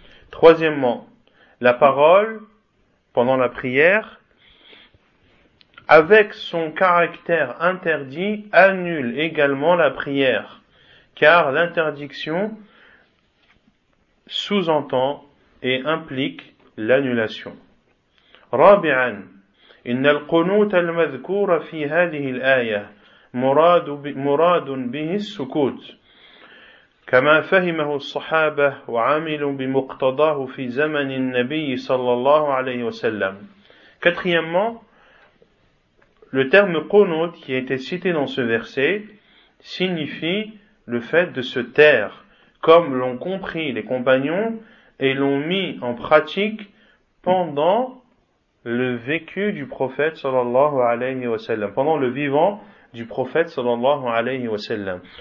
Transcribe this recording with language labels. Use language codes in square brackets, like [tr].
[fr] Troisièmement, la parole pendant la prière, avec son caractère interdit, annule également la prière, car l'interdiction sous-entend et implique l'annulation. [ar] رابعاً, إن القنوت المذكور في هذه الآية مراد به السكوت. كما فهمه الصحابة وعامل بمقتضاه في زمن النبي صلى الله عليه وسلم. [fr] Quatrièmement, le terme qunut qui a été cité dans ce verset signifie le fait de se taire, comme l'ont compris les compagnons et l'ont mis en pratique pendant le vécu du prophète [ar] صلى الله عليه وسلم, [fr] pendant le vivant du prophète [ar] sallallahu alayhi wa sallam.